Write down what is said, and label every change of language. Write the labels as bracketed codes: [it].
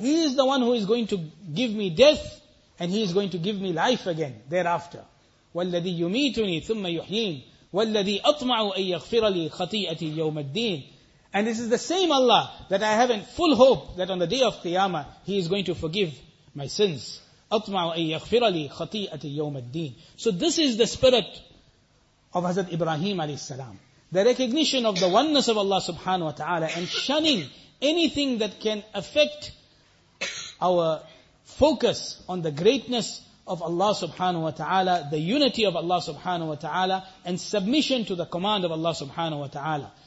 [en] He is the one who is going to give me death, and He is going to give me life again thereafter. [ar] وَالَّذِي يُمِيتُنِي ثُمَّ يُحْيِينَ. وَالَّذِي أَطْمَعُ أَن يَغْفِرَ لِي خَطِيئَتِي يَوْمَ الدِّينَ. [en] And this is the same Allah that I have in full hope that on the day of Qiyamah He is going to forgive my sins. [ar] أَطْمَعُ أَن يَغْفِرَ لِي خَطِيئَتِي يَوْمَ الدِّينَ. [en] So this is the spirit of Hazrat Ibrahim alayhi salam. The recognition of the oneness of Allah subhanahu wa ta'ala, and shunning anything that can affect our focus on the greatness of Allah subhanahu wa ta'ala, the unity of Allah subhanahu wa ta'ala, and submission to the command of Allah subhanahu wa ta'ala.